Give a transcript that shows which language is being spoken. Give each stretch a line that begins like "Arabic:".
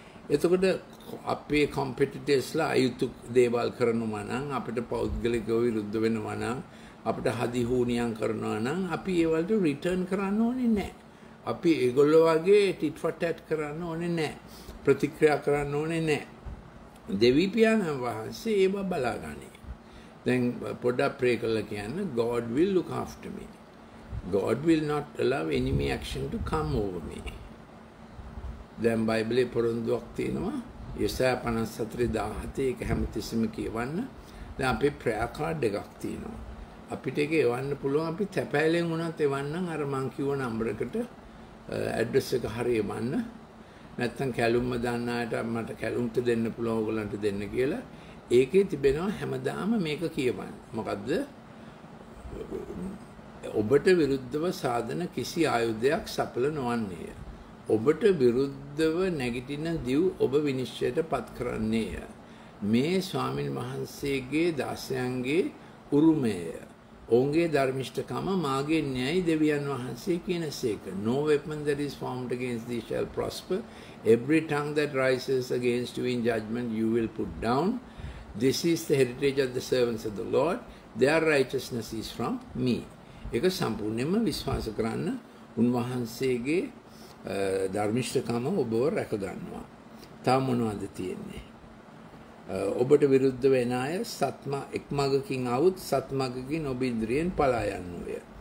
Sinhala: එතකොට අපේ කොම්පිටිටර්ස්ලා අයුතු දේවල් කරනවා නම්, අපිට පෞද්ගලිකව විරුද්ධ වෙනවා නම්, අපිට හදි හූනියම් කරනවා නම් අපි ඒවලට රිටර්න් කරන්න ඕනේ නැහැ. අපි ඒගොල්ලෝ වගේ ටිට් ෆොර් ටැට් කරන්න ඕනේ නැහැ, ප්‍රතික්‍රියා කරන්න ඕනේ නැහැ. දෙවිපියාණන් වහන්සේ ඒව බලාගන්නේ.
English: Then put up pray
Sinhala: කරලා කියන්න,
English: God will look after me. God will not allow enemy action to come over me.
Sinhala: Then Bible පොරොන්දුවක් තියෙනවා. Yesaya 54:17 එක හැමතිස්සෙම කියවන්න. දැන් අපේ prayer card එකක් තියෙනවා. අපිට ඒක එවන්න පුළුවන්. අපි තැපෑලෙන් වුණත් එවන්නම් අර මං කිව්ව number එකට address එක හරිය එවන්න. නැත්නම් කැලුම්ම දන්නාට මට කැලුම්ට දෙන්න පුළුවන් ඕගලන්ට දෙන්න කියලා. ඒකේ තිබෙනවා හැමදාම මේක කියවන්නේ. මොකද්ද? ඔබට විරුද්ධව සාදන කිසි ආයුධයක් සඵල නොවන්නේය. ඔබට විරුද්ධව නැගිටින දිව් ඔබ විනිශ්චයට පත් කරන්නේය. මේ ස්වාමින් වහන්සේගේ දාසයන්ගේ උරුමය. ඔවුන්ගේ ධර්මිෂ්ඨකම මාගේ න්‍යයි දෙවියන් වහන්සේ කියන සේක.
English: No weapon that is formed against thee shall prosper. Every tongue that rises against you in judgment you will put down. This is the heritage of the servants of the Lord. Their righteousness is from me.
Sinhala: ඒක සම්පූර්ණයෙන්ම විශ්වාස කරන්න, උන්වහන්සේගේ ධර්මිෂ්ඨකම ඔබව රැක ගන්නවා. තව මොනවද තියෙන්නේ? ඔබට විරුද්ධ වෙන අය සත්ම එක් මගකින් අවුත් සත් මගකින් ඔබ ඉදිරියෙන් පලා යන්නෝය.